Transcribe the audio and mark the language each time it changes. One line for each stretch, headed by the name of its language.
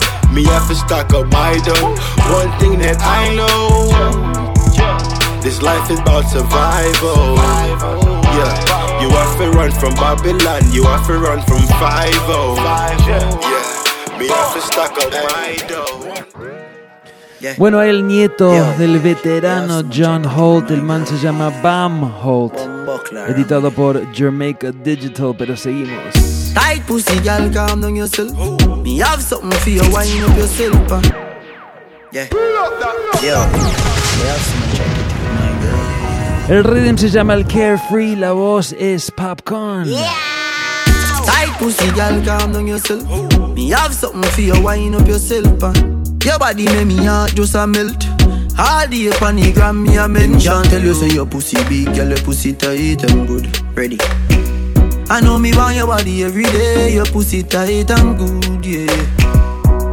English: Me have to stock up my dough. One thing that I know, this life is about survival. Yeah, you have to run from Babylon, you have to run from 5-0. Yeah, me have to stock up my dough.
Spanish: Bueno, el nieto del veterano John Holt, el man se llama Bam Holt, editado por Jamaica Digital, pero seguimos.
English: Tight pussy, girl, calm down yourself. Me have something for you, wind up yourself.
Spanish: El rhythm se llama el Carefree, la voz es Popcorn.
English: Tight pussy, girl, calm down yourself. Me have something for you, wind up yourself. Your body make me heart just a melt. All day upon the gram, me a mention. Them can't tell you say your pussy big, girl, your pussy tight and good. Ready. I know me want your body every day. Your pussy tight and good, yeah.